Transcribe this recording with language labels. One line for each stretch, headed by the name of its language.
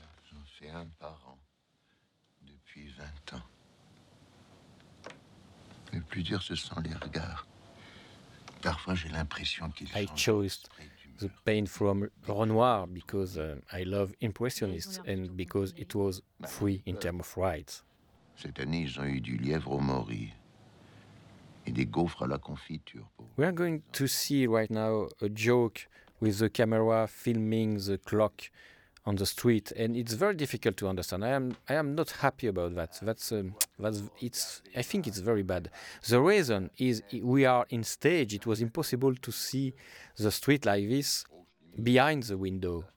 French: J'en suis un parent depuis 20 ans. Le plus dur, ce sont les regards. Parfois, j'ai l'impression qu'ils changent.
English: I chose the paint from Renoir because I love impressionnists and because it was free in terms of rights.
French: Cette année, ils ont eu du lièvre au mori. et des gaufres à la confiture. Pour...
English: We are going to see right now a joke with the camera filming the clock on the street, and it's very difficult to understand. I am not happy about that. I think it's very bad. The reason is we are in stage. It was impossible to see the street like this behind the window.